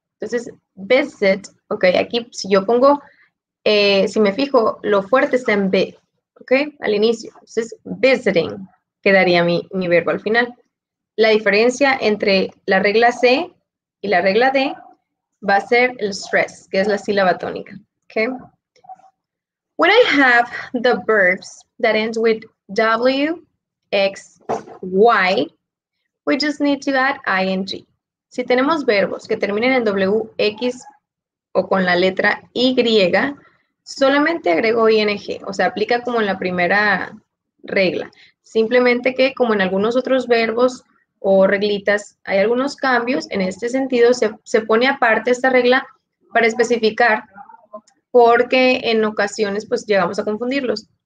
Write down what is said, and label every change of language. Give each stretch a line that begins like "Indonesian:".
Spanish: Entonces, visit, ok, aquí si yo pongo, si me fijo, lo fuerte está en B, ok, al inicio. Entonces, visiting quedaría mi verbo al final. La diferencia entre la regla C y la regla D va a ser el stress, que es la sílaba tónica, ok.
English: When I have the verbs that end with W, X, Y, we just need to add ing.
Spanish: Si tenemos verbos que terminen en W, X o con la letra Y, solamente agrego ing, o sea, aplica como en la primera regla. Simplemente que como en algunos otros verbos o reglitas hay algunos cambios, en este sentido se pone aparte esta regla para especificar porque en ocasiones pues llegamos a confundirlos.